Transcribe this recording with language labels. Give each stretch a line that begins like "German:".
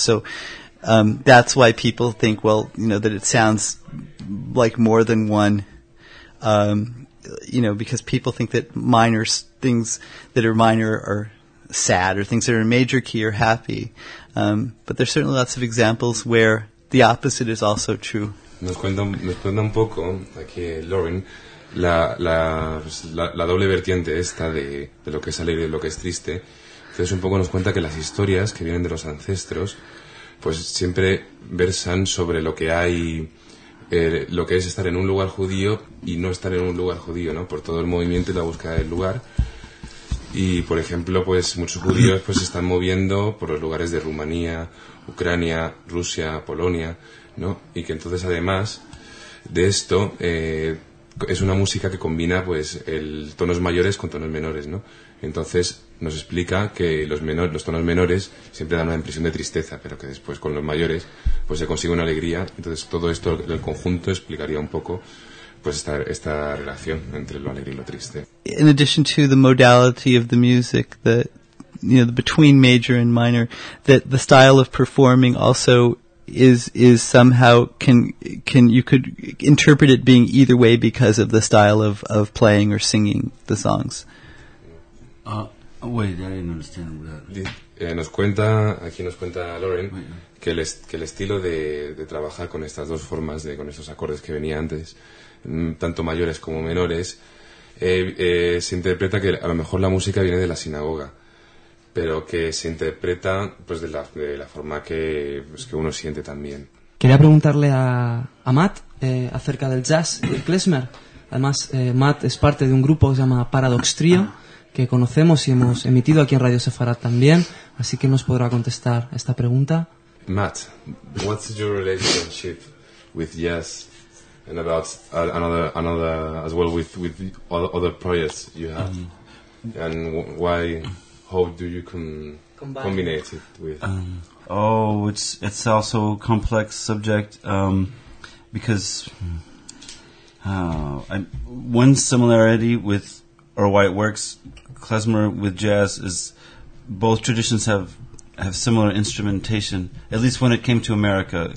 English: So that's why people think, well, you know, that it sounds like more than one, you know, because people think that minor things that are minor are sad, or things that are in major key are happy. But there's certainly lots of examples where the opposite is also true.
Spanish: Nos cuenta un poco aquí Lauren la doble vertiente esta de lo que es alegre y lo que es triste. Entonces un poco nos cuenta que las historias que vienen de los ancestros pues siempre versan sobre lo que hay, lo que es estar en un lugar judío y no estar en un lugar judío, ¿no? Por todo el movimiento y la búsqueda del lugar. Y, por ejemplo, pues muchos judíos pues se están moviendo por los lugares de Rumanía, Ucrania, Rusia, Polonia, ¿no? Y que entonces, además de esto, es una música que combina pues tonos mayores con tonos menores, ¿no? Entonces nos explica que los tonos menores siempre dan una impresión de tristeza, pero que después con los mayores pues se consigue una alegría. Entonces todo esto, el conjunto, explicaría un poco pues esta relación entre lo alegre y lo triste.
English: In addition to the modality of the music, the, you know, the between major and minor, that the style of performing also is somehow can you could interpret it being either way because of the style of playing or singing the songs. Wait, I didn't understand that.
Spanish: Nos cuenta Lauren que el estilo de trabajar con estas dos formas, de con estos acordes que venía antes, tanto mayores como menores, se interpreta que a lo mejor la música viene de la sinagoga, pero que se interpreta pues de la forma que uno siente también. Quería preguntarle a Matt acerca del jazz y el klezmer. Además, Matt es parte de un grupo que se llama Paradox Trio, que conocemos y hemos emitido aquí en Radio Sefarad también, así que nos podrá contestar esta pregunta.
English: Matt, what's your relationship with jazz and about another as well with other projects you have? And why, how do you combine it with? It's also a complex subject, because one similarity with, or why it works, klezmer with jazz, is both traditions have similar instrumentation, at least when it came to America.